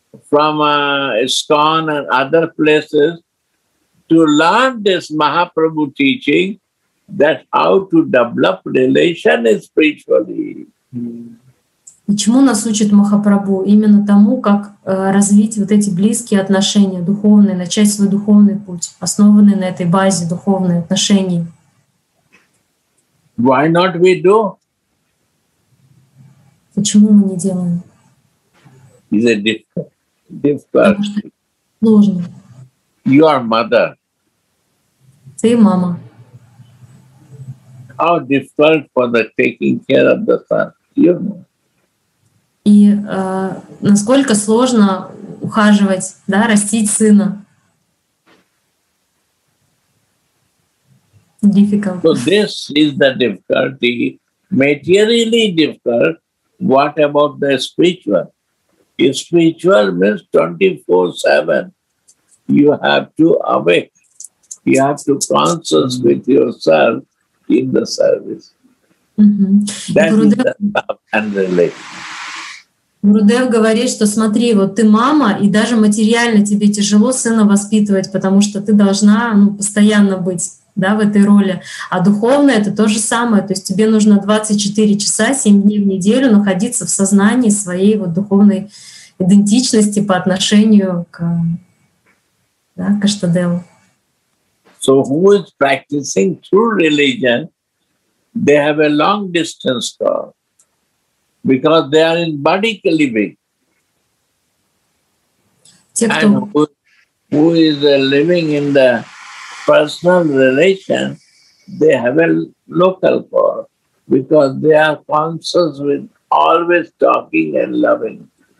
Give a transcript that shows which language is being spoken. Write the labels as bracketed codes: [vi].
[en] From ISKCON and other places to learn this Mahaprabhu teaching that how to develop relation spiritually. [ru] Почему нас учит Махапрабху именно тому, как развить вот эти близкие отношения духовные, начать свой духовный путь, основанный на этой базе духовные отношения? [en] Why not we do? [ru] Почему мы не делаем? [en] Is it different? [ru] Сложно. [en] You are mother. [ru] Ты мама. [en] How difficult for the taking care of the son, you know? [ru] И насколько сложно ухаживать, да, растить сына? [en] Difficult. So this is the difficulty, materially difficult. What about the spiritual? If spiritual means 24/7, you have to awake. You have to conscious with yourself in the service. Mm-hmm. That is the love and relation. [ru] Гурудев говорит, что смотри, вот ты мама, и даже материально тебе тяжело сына воспитывать, потому что ты должна, ну, постоянно быть, да, в этой роли. А духовно это то же самое. То есть тебе нужно 24 часа, 7 дней в неделю находиться в сознании своей вот духовной идентичности по отношению к, да, к Аштаделу. [en] So who is practicing true religion, they have a long distance to go. Because they are in body living. And who is living in the personal relation, they have a local core, because they are conscious with always talking and loving.